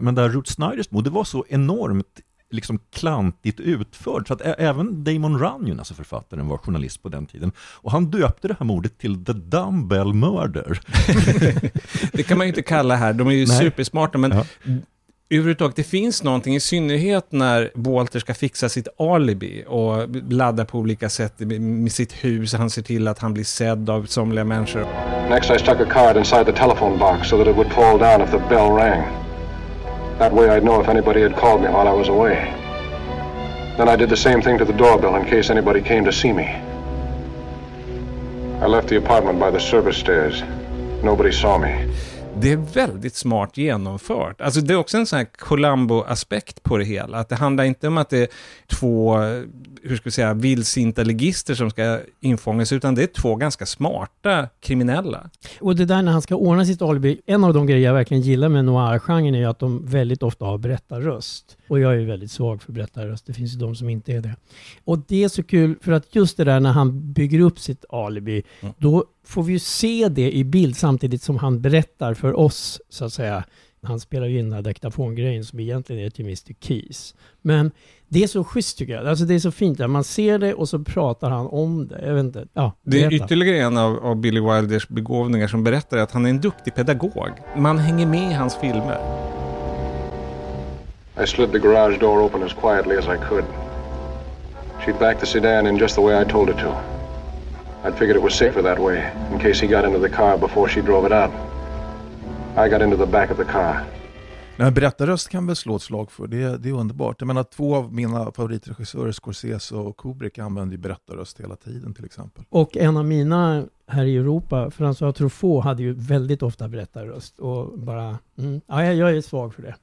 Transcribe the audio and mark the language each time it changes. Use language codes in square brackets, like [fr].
[sv] Men där Ruth Snyders mod, det var så enormt liksom klantigt utförd, så att även Damon Runyon, alltså författaren, var journalist på den tiden, och han döpte det här mordet till The Dumbbell Murder. Det kan man ju inte kalla här, de är ju Nej. Supersmarta, men ja. Överhuvudtaget, det finns någonting, i synnerhet när Walter ska fixa sitt alibi och ladda på olika sätt med sitt hus. Han ser till att han blir sedd av somliga människor. [en] Next I stuck a card inside the telephone box so that it would fall down if the bell rang. That way I'd know if anybody had called me while I was away. Then I did the same thing to the doorbell in case anybody came to see me. I left the apartment by the service stairs. Nobody saw me. [sv] Det är väldigt smart genomfört. Alltså det är också en sån här Columbo-aspekt på det hela. Att det handlar inte om att det är två, hur ska vi säga, vilsinta legister som ska infångas, utan det är två ganska smarta kriminella. Och det där när han ska ordna sitt alibi, en av de grejer jag verkligen gillar med noir-genren är att de väldigt ofta har berättarröst. Och jag är ju väldigt svag för berättarröst. Det finns ju de som inte är det. Och det är så kul, för att just det där när han bygger upp sitt alibi, då får vi ju se det i bild samtidigt som han berättar för oss, så att säga. Han spelar ju in den här dektafongrejen som egentligen är till Mr. Keys. Men det är så schysst, tycker jag. Alltså det är så fint. Man ser det och så pratar han om det. Jag vet inte. Ja, det är ytterligare en av Billy Wilders begåvningar som berättar att han är en duktig pedagog. Man hänger med i hans filmer. [en] I slid the garage door open as quietly as I could. She'd backed the sedan in just the way I told her to. I figured it was safer that way, in case he got into the car before she drove it out. I got into the back of the car. [sv] Nej, berättarröst kan väl slå ett slag för. Det är underbart. Jag menar, två av mina favoritregissörer, Scorsese och Kubrick, använder ju berättarröst hela tiden, till exempel. Och en av mina här i Europa, François Truffaut, hade ju väldigt ofta berättarröst. Och bara, ja, jag är svag för det.